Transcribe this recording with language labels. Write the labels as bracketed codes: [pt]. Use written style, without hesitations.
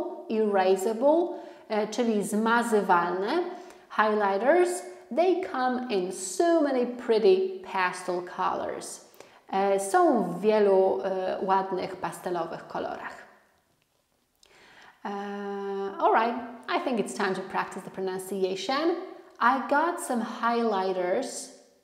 [pl] Erasable, czyli zmazywalne. [en] Highlighters. They come in so many pretty pastel colors. [pl] Są w wielu ładnych pastelowych kolorach. [en] Alright, I think it's time to practice the pronunciation. I got some highlighters.